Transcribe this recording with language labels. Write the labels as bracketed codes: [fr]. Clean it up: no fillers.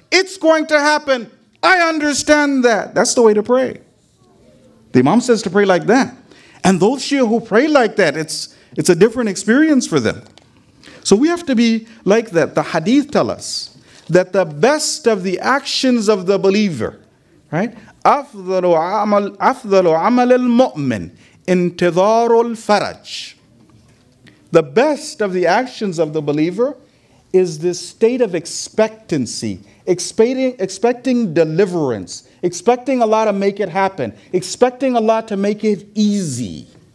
[en] It's going to happen. I understand that. That's the way to pray. The Imam says to pray like that. And those Shia who pray like that, it's a different experience for them. So we have to be like that. The hadith tell us that the best of the actions of the believer, right? [ar] أفضل عمل المؤمن انتظار الفرج. [en] The best of the actions of the believer is this state of expectancy, expecting deliverance, expecting Allah to make it happen, expecting Allah to make it easy.